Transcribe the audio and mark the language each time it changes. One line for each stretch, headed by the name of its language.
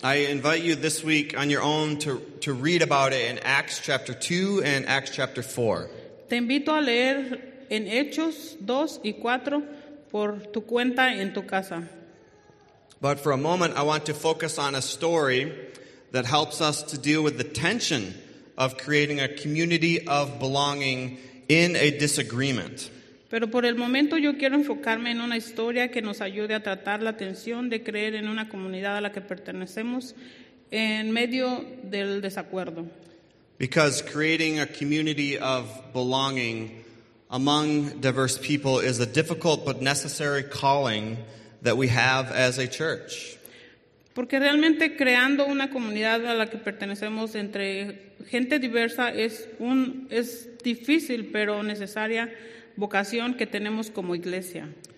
English: I invite you this week on your own to read about it in Acts chapter 2 and Acts chapter 4.
Spanish: Te invito a leer en Hechos 2 y 4 por tu cuenta en tu casa.
English: But for a moment, I want to focus on a story that helps us to deal with the tension of creating a community of belonging in a disagreement.
Spanish: Pero por el momento yo quiero enfocarme en una historia que nos ayude a tratar la tensión de creer en una comunidad a la que pertenecemos en medio del desacuerdo.
English: Because creating a community of belonging among diverse people is a difficult but necessary calling that we have as a church.
Spanish: Porque realmente creando una comunidad a la que pertenecemos entre gente diversa es difícil pero necesaria vocación que tenemos como iglesia.